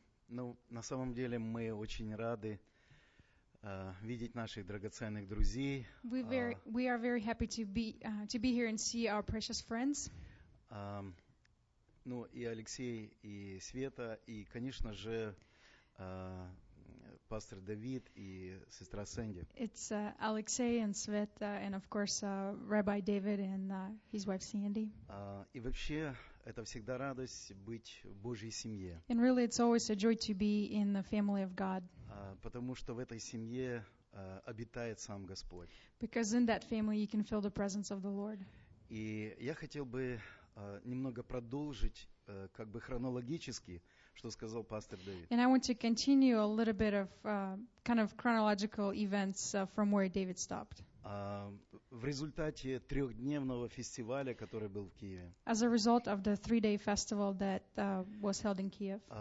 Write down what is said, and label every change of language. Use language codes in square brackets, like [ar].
[ru] Ну, на самом деле, мы очень рады видеть наших драгоценных друзей. [en] We are very happy to be here and see our precious friends. [ru] Ну, и Алексей, и Света, и, конечно же, пастор Давид и сестра Сэнди. [en] It's Alexei and Sveta, and of course Rabbi David and his wife Sandy. [ru] И вообще, это всегда радость быть в Божьей семье. [en] And really, it's always a joy to be in the family of God. [ru] Потому что в этой семье обитает сам Господь. [en] Because in that family, you can feel the presence of the Lord. [ru] И я хотел бы немного продолжить, как бы хронологически, что сказал пастор Давид. [en] And I want to continue a little bit of kind of chronological events from where David stopped. [ru] В результате трехдневного фестиваля, который был в Киеве. [en] As a result of the three-day festival that was held in Kiev.